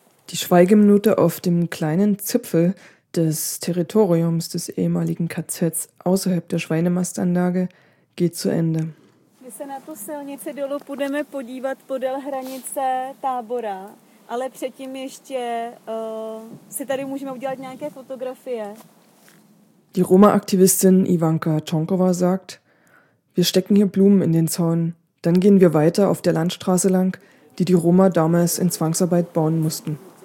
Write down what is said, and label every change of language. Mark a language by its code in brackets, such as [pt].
[de] Die Schweigeminute auf dem kleinen Zipfel des Territoriums des ehemaligen KZs außerhalb der Schweinemastanlage geht zu Ende. [cs] Wir se na tu silnici dolů půjdeme podívat podél hranice tábora, ale předtím ještě si tady můžeme udělat nějaké fotografie. [de] Die Roma-Aktivistin Ivanka Tschonkova sagt, wir stecken hier Blumen in den Zaun, dann gehen wir weiter auf der Landstraße lang, die die Roma damals in Zwangsarbeit bauen mussten.